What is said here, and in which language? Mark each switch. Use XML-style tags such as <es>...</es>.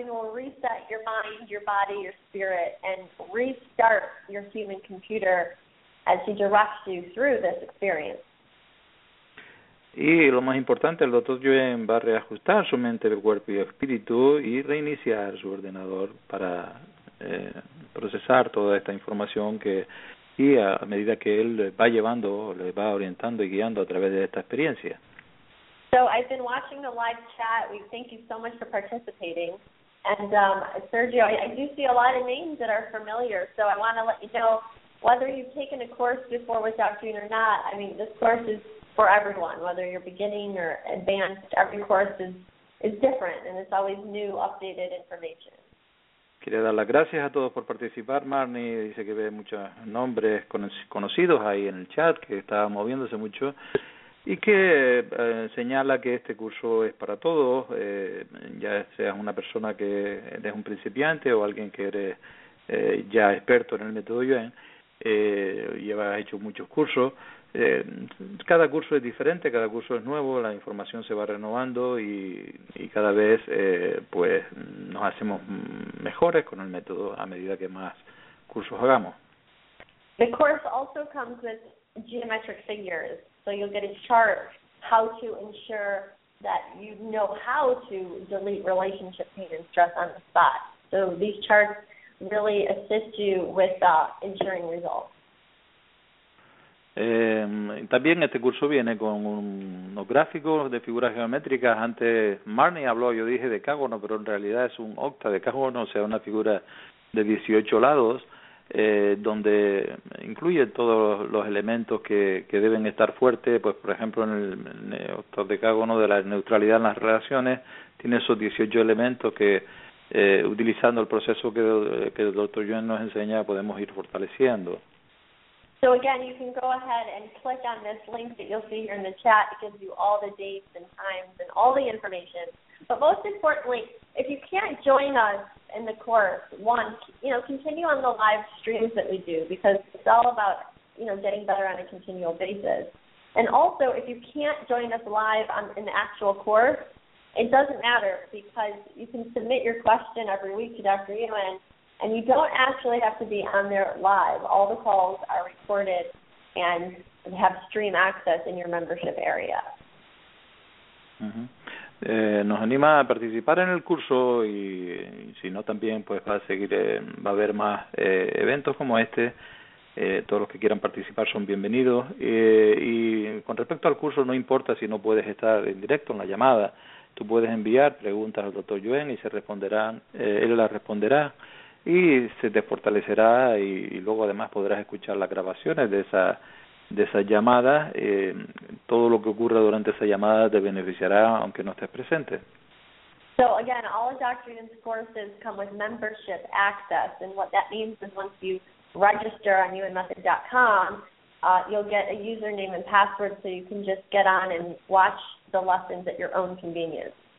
<en>Yun will reset your mind, your body, your spirit, and restart your human computer as he directs you through this experience.</en> <es>Y lo más importante, el Dr. Yun va a reajustar su mente, el cuerpo y el espíritu y reiniciar su ordenador para procesar toda esta información a medida que él le va llevando, le va orientando y guiando a través de esta experiencia.</es> <en>So I've been watching the live chat. We thank you so much for participating. And Sergio, I do see a lot of names that are familiar. So I want to let you know, whether you've taken a course before with Dr. Yoon or not, I mean, this course is for everyone, whether you're beginning or advanced. Every course is different, and it's always new, updated information.</en> <es>Quería dar las gracias a todos por participar. Marnie dice que ve muchos nombres conocidos ahí en el chat, que está moviéndose mucho, y que señala que este curso es para todos, ya seas una persona que eres un principiante o alguien que eres ya experto en el método Yuen, lleva hecho muchos cursos. Cada curso es diferente, cada curso es nuevo, la información se va renovando y cada vez pues nos hacemos mejores con el método a medida que más cursos hagamos.</es> <en>The course also comes with geometric figures, so you'll get a chart how to ensure that you know how to delete relationship pain and stress on the spot. So these charts really assist you with ensuring results.</en> <es>También este curso viene con unos gráficos de figuras geométricas. Antes Marnie habló, yo dije decágono, pero en realidad es un octadecágono, o sea, una figura de 18 lados, donde incluye todos los elementos que deben estar fuertes. Pues, por ejemplo, en el octadecágono de la neutralidad en las relaciones, tiene esos 18 elementos que, utilizando el proceso que el Dr. Yuen nos enseña, podemos ir fortaleciendo.</es> <en>So again, you can go ahead and click on this link that you'll see here in the chat. It gives you all the dates and times and all the information. But most importantly, if you can't join us in the course, one, you know, continue on the live streams that we do, because it's all about, you know, getting better on a continual basis. And also, if you can't join us live in the actual course, it doesn't matter, because you can submit your question every week to Dr. Yuen. And you don't actually have to be on there live. All the calls are recorded and have stream access in your membership area. Uh-huh.</en> <es>Nos anima a participar en el curso y si no también pues va a seguir, va a haber más eventos como este. Todos los que quieran participar son bienvenidos. Y con respecto al curso, no importa si no puedes estar en directo en la llamada. Tú puedes enviar preguntas al Dr. Yuen y se responderán. Él las responderá. Y se te fortalecerá y luego además podrás escuchar las grabaciones de esa llamada. Todo lo que ocurra durante esa llamada te beneficiará aunque no estés presente.</es> <en>So again, all of Dr. Yuen's courses come with membership access, and what that means is once you register on yuenmethod.com, you'll get a username and password so you can just get on and watch the lessons at your own convenience.</en>